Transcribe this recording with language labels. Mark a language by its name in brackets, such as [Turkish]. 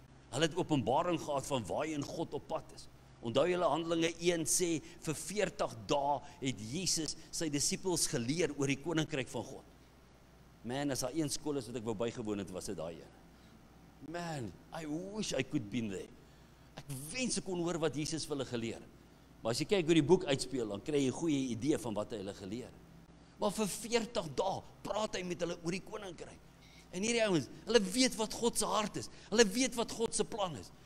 [Afrikaans] Hulle het openbaring gehad van waar in God op pad is. Onthou julle Handelinge 1 sê, vir 40 dae het Jesus sy disciples geleer oor die koninkryk van God. Man, as daar een skool is wat ek wou bygewoon het, was dit daai een. [English] Man, I wish I could been there. [Afrikaans] Ek wens ek kon hoor wat Jesus vir hulle geleer. Maar as jy kyk hoe die boek uitspeel, dan kry jy 'n goeie idee van wat hy hulle geleer. Maar vir 40 dae praat hy met hulle oor die koninkryk. En hierdie ouens, hulle weet wat God se hart is. Hulle weet wat God se plan is.